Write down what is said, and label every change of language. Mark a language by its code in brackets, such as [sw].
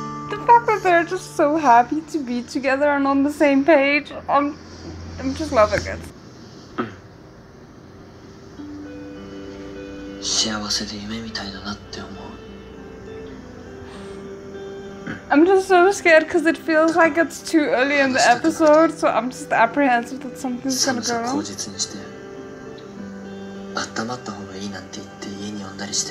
[en] The fact that they're just so happy to be together and on the same page, I'm just loving it. [ja] 幸せで夢みたいだなって思う。 [en] I'm just so scared because it feels like it's too early in the episode, so I'm just apprehensive that something's gonna go wrong. I'm just so scared because it feels like it's too early in the episode, so I'm just